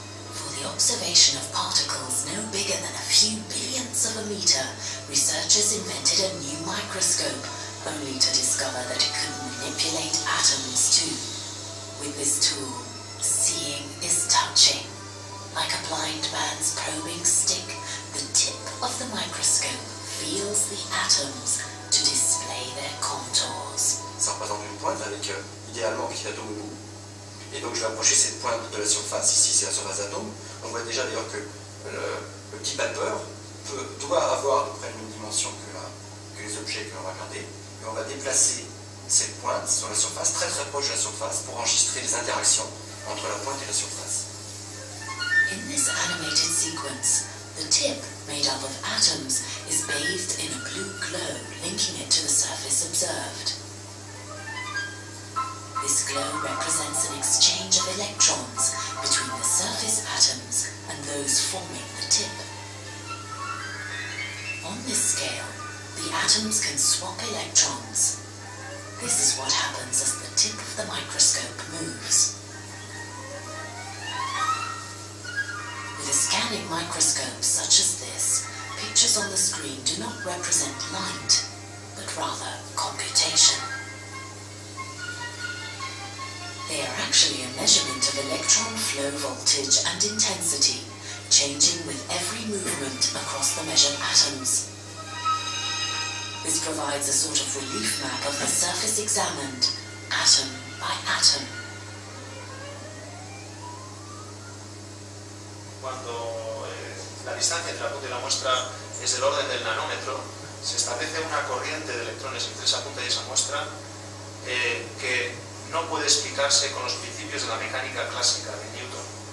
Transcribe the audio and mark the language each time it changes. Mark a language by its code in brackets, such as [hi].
[en] For the observation of particles no bigger than a few billionths of a meter, researchers invented a new microscope, only to discover that it could manipulate atoms too. With this tool, seeing is touching. Like a blind man's probing stick, the tip of the microscope feels the atoms to display their contours. [fr] Ça représente une pointe avec idéalement un petit atome au bout. Et donc je vais approcher cette pointe de la surface. Ici c'est la surface d'atome. On voit déjà d'ailleurs que le petit vapeur doit avoir à peu près la même dimension que les objets que l'on va regarder. Et on va déplacer cette pointe sur la surface, très très proche de la surface, pour enregistrer les interactions entre la pointe et la surface. [en] In this animated sequence, the tip, made up of atoms, is bathed in a blue glow, linking it to the surface observed. This glow represents an exchange of electrons between the surface atoms and those forming the tip. On this scale, the atoms can swap electrons. This is what happens as the tip of the microscope moves. With a scanning microscope such as this, pictures on the screen do not represent light, but rather computation. They are actually a measurement of electron flow voltage and intensity, changing with every movement across the measured atoms. This provides a sort of relief map of the surface examined, atom by atom. [es] Cuando la distancia entre la punta y la muestra es del orden del nanómetro, se establece una corriente de electrones entre esa punta y esa muestra que no puede explicarse con los principios de la mecánica clásica de Newton.